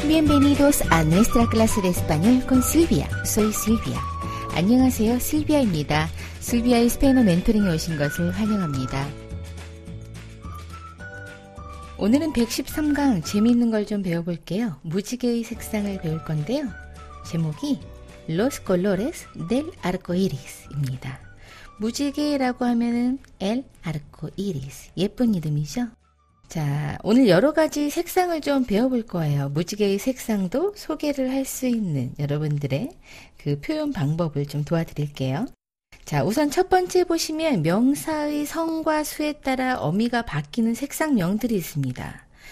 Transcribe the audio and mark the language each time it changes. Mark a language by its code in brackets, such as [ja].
[es] Bienvenidos a nuestra clase de español con Silvia. Soy Silvia. [ko] 안녕하세요, 실비아입니다. 실비아의 스페인어 멘토링에 오신 것을 환영합니다. 오늘은 113강 재미있는 걸 좀 배워볼게요. 무지개의 색상을 배울 건데요. 제목이 [es] Los colores del arco iris [ko] 입니다. 무지개라고 하면은 el arco iris, 예쁜 이름이죠. 자, 오늘 여러 가지 색상을 좀 배워볼 거예요. 무지개의 색상도 소개를 할 수 있는 여러분들의 그 표현 방법을 좀 도와드릴게요. 자, 우선 첫 번째 보시면 명사의 성과 수에 따라 어미가 바뀌는 색상명들이 있습니다.